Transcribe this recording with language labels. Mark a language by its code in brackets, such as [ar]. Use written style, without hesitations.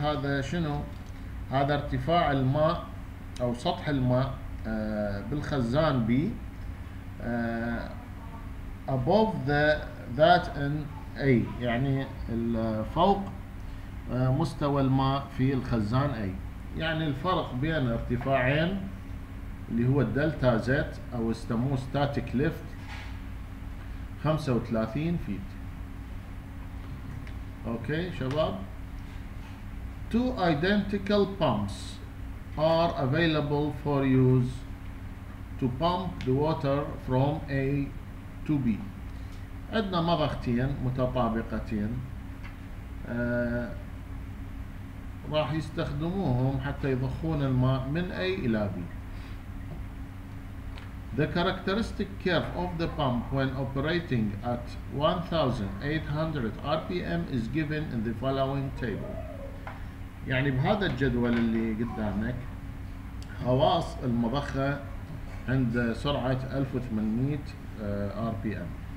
[ar] هذا شنو؟ هذا ارتفاع الماء او سطح الماء بالخزان بي [en] above that in A، [ar] يعني فوق مستوى الماء في الخزان A. يعني الفرق بين ارتفاعين اللي هو الدلتا زيت او يسموه ستاتيك ليفت 35 فيت. اوكي شباب، [en] two identical pumps are available for use to pump the water from A to B. [ar] عندنا مضختين متطابقتين راح يستخدموهم حتى يضخون الماء من A إلى B. [en] The characteristic curve of the pump when operating at 1800 RPM is given in the following table. [ar] يعني بهذا الجدول اللي قدامك خواص المضخة عند سرعة 1800 RPM.